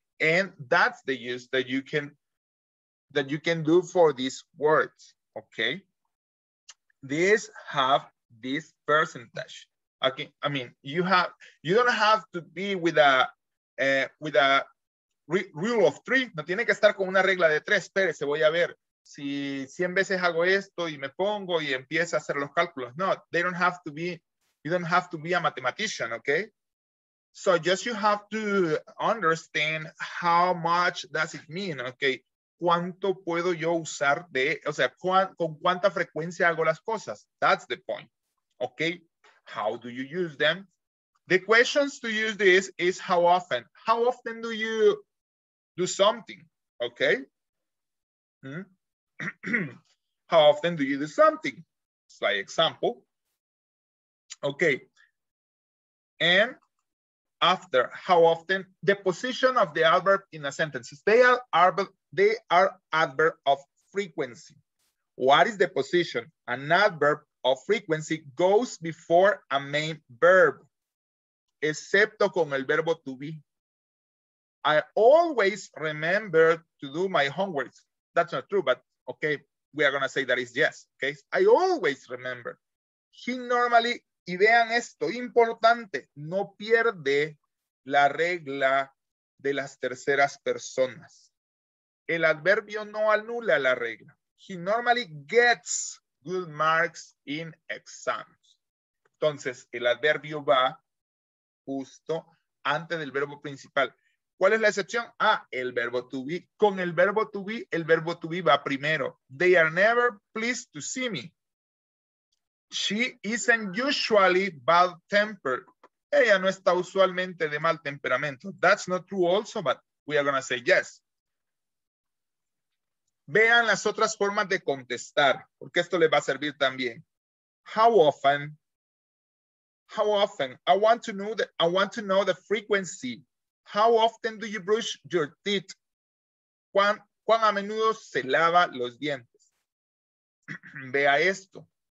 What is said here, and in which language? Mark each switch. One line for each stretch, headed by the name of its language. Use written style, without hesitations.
English: And that's the use that you can do for these words. Okay. These have this percentage. Okay, I mean, you don't have to be with a rule of three.
Spanish: No tiene que estar con una regla de tres. Espere, se voy a ver si 100 veces hago esto y me pongo y empiezo a hacer los cálculos.
English: No, they don't have to be, you don't have to be a mathematician, okay? So just you have to understand how much does it mean, okay?
Spanish: ¿Cuánto puedo yo usar de, o sea, con cuánta frecuencia hago las cosas?
English: That's the point, okay? How do you use them? The questions to use this is how often. How often do you do something, okay? How often do you do something? It's like example. Okay. And after, how often? The position of the adverb in a sentence. They are adverb of frequency. What is the position? An adverb of frequency goes before a main verb,
Spanish: excepto con el verbo to be.
English: I always remember to do my homework. That's not true, but okay, we are gonna say that is yes, okay? I always remember. He normally,
Spanish: y vean esto, importante, no pierde la regla de las terceras personas. El adverbio no anula la regla.
English: He normally gets good marks in exams.
Spanish: Entonces, el adverbio va justo antes del verbo principal. ¿Cuál es la excepción? Ah, el verbo to be. Con el verbo to be va primero.
English: They are never pleased to see me. She isn't usually bad tempered.
Spanish: Ella no está usualmente de mal temperamento.
English: That's not true also, but we are going to say yes.
Spanish: Vean las otras formas de contestar, porque esto les va a servir también.
English: How often? I want to know the frequency. How often do you brush your teeth?
Spanish: ¿Cuán a menudo se lava los dientes? vea esto.